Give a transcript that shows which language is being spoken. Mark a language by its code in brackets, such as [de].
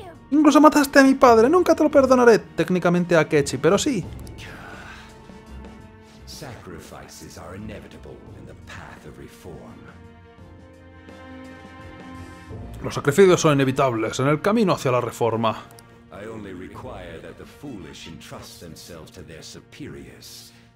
[es] Incluso mataste a mi padre, nunca te lo perdonaré, técnicamente a Akechi, pero sí. [en] Sacrifices are inevitable in the path of reform. [es] Los sacrificios son inevitables en el camino hacia la reforma. [en] I only require that the foolish entrust themselves to their superiors.